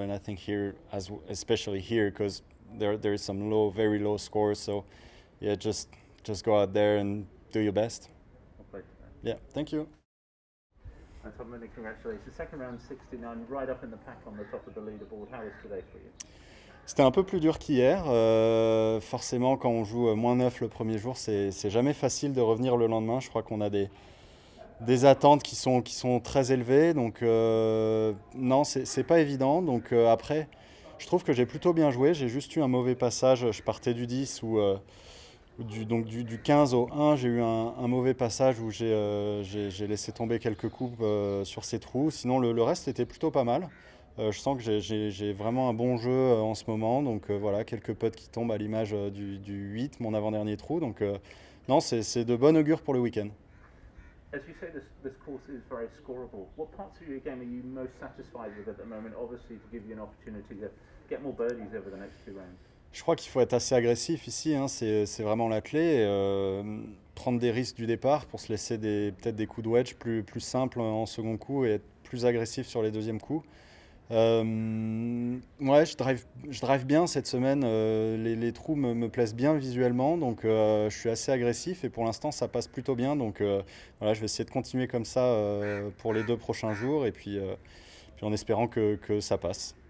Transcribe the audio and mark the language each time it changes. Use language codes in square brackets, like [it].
[en] And I think here, especially here, because there is some low, very low scores. So yeah, just go out there and do your best. Yeah. Thank you. Antoine, many congratulations. Second round 69, right up in the pack on the top of the leaderboard. How is today for you? [fr] C'était un peu plus dur qu'hier. Forcément, quand on joue moins 9 le premier jour, c'est jamais facile de revenir le lendemain. Je crois qu'on a des attentes qui sont très élevées. Donc non, c'est pas évident. Donc après, je trouve que j'ai plutôt bien joué. J'ai juste eu un mauvais passage. Je partais du 10 ou du 15 au 1. J'ai eu un mauvais passage où j'ai laissé tomber quelques coupes sur ces trous. Sinon, le reste était plutôt pas mal. Je sens que j'ai vraiment un bon jeu en ce moment, donc voilà, quelques putts qui tombent à l'image du 8, mon avant-dernier trou, donc non, c'est de bon augure pour le week-end. [en] As you say, this course is very scoreable. What parts of your game are you most satisfied with at the moment, obviously to give you an opportunity to get more birdies over the next two rounds? [fr] Je crois qu'il faut être assez agressif ici, hein. C'est vraiment la clé. Prendre des risques du départ pour se laisser peut-être des coups de wedge plus simples en second coup et être plus agressif sur les deuxièmes coups. Ouais, je drive bien cette semaine, les trous me plaisent bien visuellement, donc je suis assez agressif et pour l'instant ça passe plutôt bien, donc voilà, je vais essayer de continuer comme ça pour les deux prochains jours et puis en espérant que ça passe.